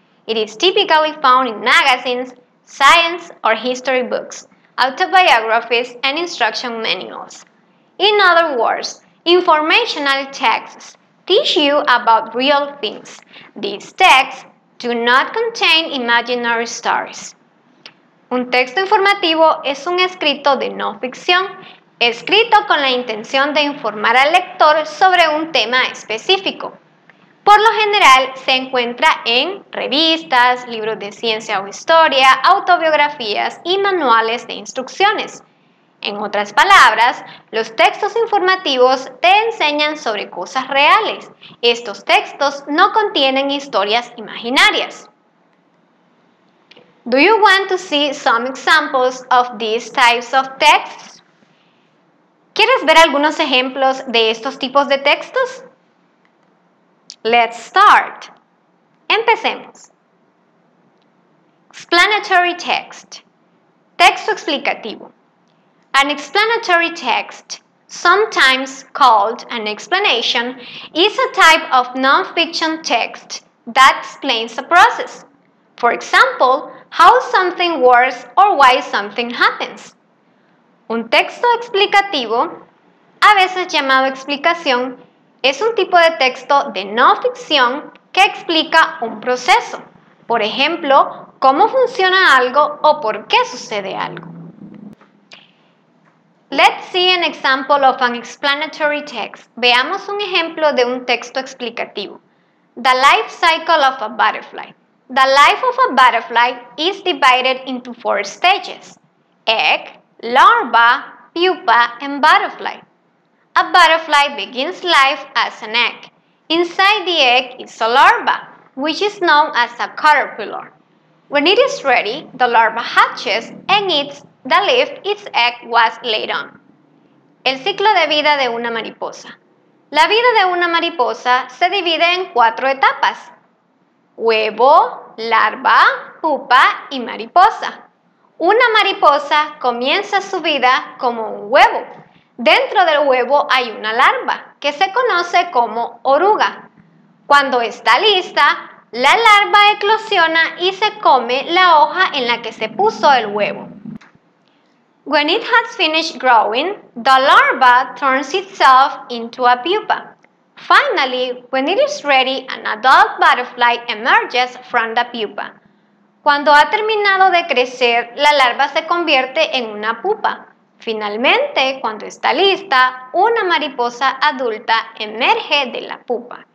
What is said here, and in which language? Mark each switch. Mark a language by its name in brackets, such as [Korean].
[English] It is typically found in magazines, science or history books, autobiographies, and instruction manuals. In other words, informational texts teach you about real things. These texts do not contain imaginary stories. [Spanish] Un texto informativo es un escrito de no ficción, escrito con la intención de informar al lector sobre un tema específico. Por lo general, se encuentra en revistas, libros de ciencia o historia, autobiografías y manuales de instrucciones. En otras palabras, los textos informativos te enseñan sobre cosas reales. Estos textos no contienen historias imaginarias. [English] Do you want to see some examples of these types of texts? [Spanish] ¿Quieres ver algunos ejemplos de estos tipos de textos? [English] Let's start. [Spanish] Empecemos. [English] Explanatory text. [Spanish] Texto explicativo. [English] An explanatory text, sometimes called an explanation, is a type of non-fiction text that explains a process. For example, how something works or why something happens. [Spanish] Un texto explicativo, a veces llamado explicación, es un tipo de texto de no ficción que explica un proceso. Por ejemplo, cómo funciona algo o por qué sucede algo. [English] Let's see an example of an explanatory text. [Spanish] Veamos un ejemplo de un texto explicativo. [English] The life cycle of a butterfly. The life of a butterfly is divided into four stages. Egg, larva, pupa, and butterfly. A butterfly begins life as an egg. Inside the egg is a larva, which is known as a caterpillar. When it is ready, the larva hatches and eats the leaf its egg was laid on. [Spanish] El ciclo de vida de una mariposa. La vida de una mariposa se divide en cuatro etapas. Huevo, larva, pupa y mariposa. Una mariposa comienza su vida como un huevo. Dentro del huevo hay una larva, que se conoce como oruga. Cuando está lista, la larva eclosiona y se come la hoja en la que se puso el huevo. [English] When it has finished growing, the larva turns itself into a pupa. Finally, when it is ready, an adult butterfly emerges from the pupa. [Spanish] Cuando ha terminado de crecer, la larva se convierte en una pupa. Finalmente, cuando está lista, una mariposa adulta emerge de la pupa.